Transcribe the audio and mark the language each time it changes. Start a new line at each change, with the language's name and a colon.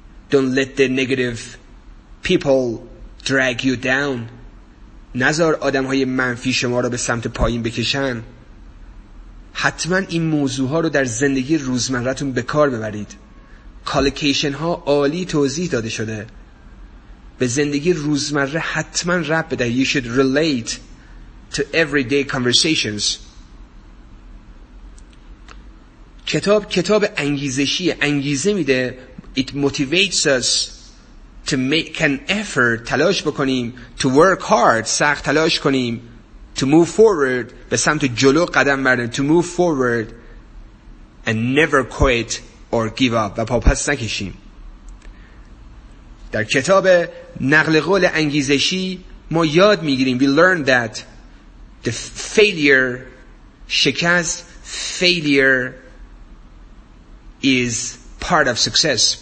English: Don't let the negative people drag you down.
Persian: نذار آدم‌های منفی شما رو به سمت پایین بکشن. حتما این موضوع ها رو در زندگی روزمرتون به کار ببرید. کالکیشن ها عالی توضیح داده شده. به زندگی روزمره حتما رب بده.
English: You should relate to everyday conversations.
Persian: کتاب انگیزشی، انگیزه میده.
English: It motivates us to make an effort.
Persian: تلاش بکنیم.
English: To work hard.
Persian: سخت تلاش کنیم.
English: To move forward,
Persian: به سمت جلو قدم بردن.
English: To move forward and never quit or give up,
Persian: و پاپس نکشیم. در کتاب نقل قول انگیزشی ما یاد میگیریم.
English: We learn that the failure, شکست, failure is part of success.